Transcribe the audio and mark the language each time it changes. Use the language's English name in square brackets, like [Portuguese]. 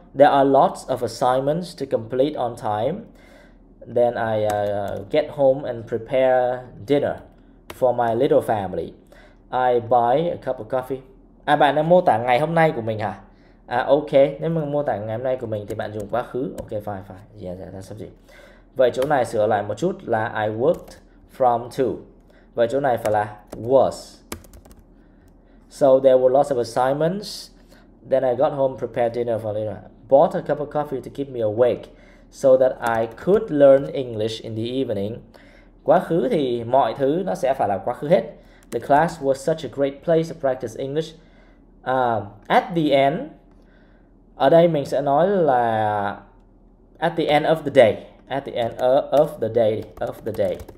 [English] There are lots of assignments to complete on time. Then I get home and prepare dinner for my little family. I buy a cup of coffee. [Vietnamese] À, bạn đang mô tả ngày hôm nay của mình hả? À, ok. Nếu mà mô tả ngày hôm nay của mình thì bạn dùng quá khứ. [English] Ok, fine, fine. Yeah, yeah, that's something. [Vietnamese] Vậy chỗ này sửa lại một chút là [English] I worked from to. [Vietnamese] Vậy chỗ này phải là [English] was. So there were lots of assignments. Then I got home, prepared dinner for later. Bought a cup of coffee to keep me awake so that I could learn English in the evening. [Vietnamese] Quá khứ thì mọi thứ nó sẽ phải là quá khứ hết. [English] The class was such a great place to practice English. At the end, [Vietnamese] ở đây mình sẽ nói là [English] at the end of the day. At the end of the day, of the day.